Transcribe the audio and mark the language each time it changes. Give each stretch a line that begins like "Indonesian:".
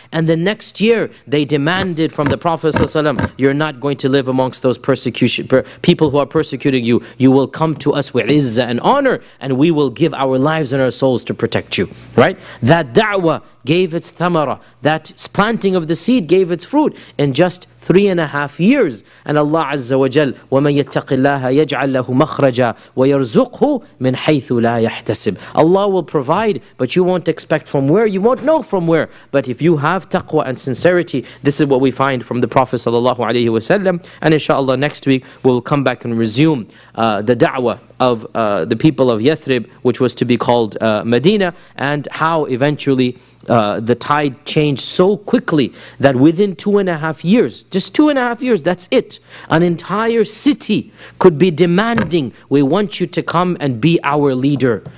English: And the next year, they demanded from the Prophet ﷺ, you're not going to live amongst those persecution people who are persecuting you. You will come to us with izzah and honor, and we will give our lives and our souls to protect you. Right? That da'wah gave its thamara. That planting of the seed gave its fruit in just 3.5 years. And Allah Azza wa Jal,
Arabic: وَمَن يَتَّقِ اللَّهَ يَجْعَلْ لَهُ مَخْرَجًا وَيَرْزُقْهُ مِنْ حَيْثُ لَا يَحْتَسِبْ.
English: Allah will provide, but you won't expect from where, you won't know from where. But if you have taqwa and sincerity, this is what we find from the Prophet sallallahu alayhi wa sallam. And inshallah, next week we'll come back and resume the da'wah of the people of Yathrib, which was to be called Medina, and how eventually the tide changed so quickly that within 2.5 years, just 2.5 years, that's it, an entire city could be demanding, we want you to come and be our leader.